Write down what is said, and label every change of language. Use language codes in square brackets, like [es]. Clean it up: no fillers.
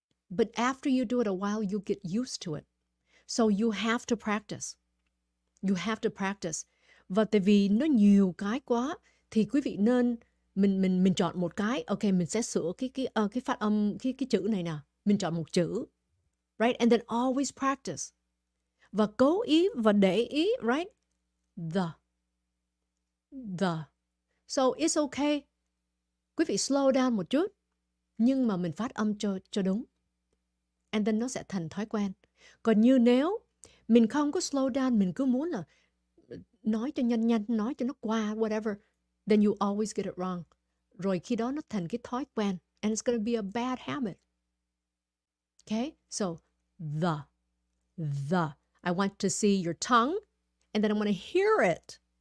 [en] But after you do it a while, you get used to it. So you have to practice. You have to practice. [vi] Và tại vì nó nhiều cái quá, thì quý vị nên mình chọn một cái. Okay, mình sẽ sửa cái phát âm, cái chữ này nè. Mình chọn một chữ. [en] Right? And then always practice. [vi] Và cố ý và để ý, right? The. [en] So it's okay. [vi] Quý vị slow down một chút. Nhưng mà mình phát âm cho đúng. And then nó sẽ thành thói quen. Còn như nếu Mình không có slow down, mình cứ muốn là nói cho nhanh nhanh, nói cho nó qua, whatever. [en] Then you always get it wrong. [vi] Rồi khi đó nó thành cái thói quen. [en] And it's going to be a bad habit. Okay? So, the. I want to see your tongue, and then I want to hear it.